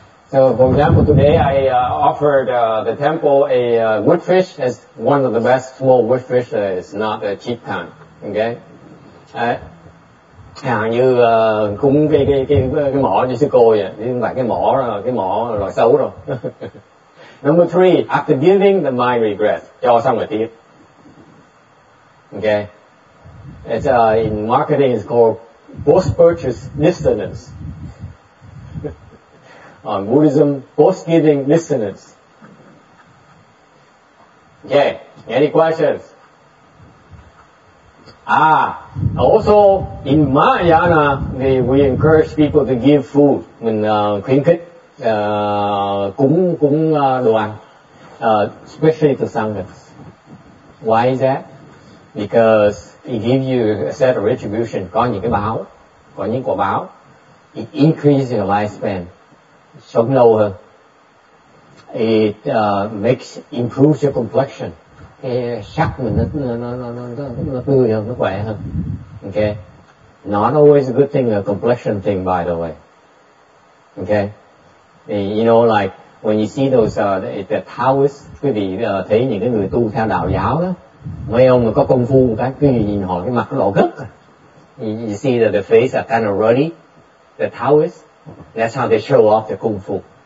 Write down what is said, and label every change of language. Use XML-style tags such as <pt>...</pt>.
<en>So, for example, today I offered the temple a wood fish as one of the best small wood fish. It's not a cheap kind, okay?</en> <vi>Hàng như cúng cái mỏ như sư cô vậy, nhưng mà cái mỏ loại xấu rồi.</vi> <en>Number three, after giving the mind regret,</en> <vi>cho xong rồi tiếp.</vi> <en>Okay, it's in marketing it's called post purchase listeners. On Buddhism, post giving listeners. Okay, any questions? Ah, also in Mahayana, we encourage people to give food.</en> <vi>Mình khuyến khích cúng đồ ăn,</vi> <en>especially to sanghas. Why is that? Because it gives you a set of retribution.</en> <vi>Có những cái báo, có những quả báo.</vi> <en>It increases your lifespan.</en> <vi>Sống lâu hơn.</vi> <en>It makes improves your complexion.</en> <vi>Cái sắc mình nó tươi hơn, nó khỏe hơn.</vi> <en>Okay. Not always a good thing, a complexion thing, by the way. Okay. And, you know, like when you see those the Taoists,</en> <vi>quý vị thấy những cái người tu theo đạo giáo đó, mấy ông mà có công phu cái quý vị nhìn họ cái mặt nó lộ gấc.</vi> <en>You see that the face are kind of ruddy, the Taoists. That's how they show off the kung fu.</en>